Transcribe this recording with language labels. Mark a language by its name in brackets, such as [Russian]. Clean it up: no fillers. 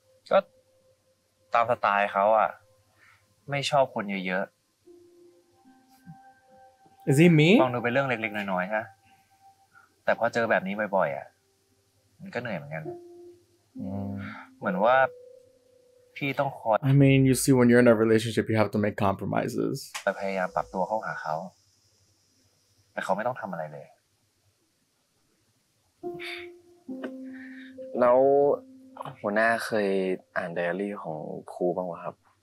[Thai] ก็ตามสไตล์เขาอ่ะไม่ชอบคนเยอะ ๆ Is he me มองดูเป็นเรื่องเล็กๆน้อยๆฮะแต่พอเจอแบบนี้บ่อยๆอ่ะมันก็เหนื่อยเหมือนกันเหมือนว่าพี่ต้องคอย [English] I mean you see when you're in a relationship you have to make compromises [Thai] แต่พยายามปรับตัวเข้าหาเขาแต่เขาไม่ต้องทำอะไรเลย แล้วหัวหน้าเคยอ่านไดอารี่ของครูบ้างไหมครับ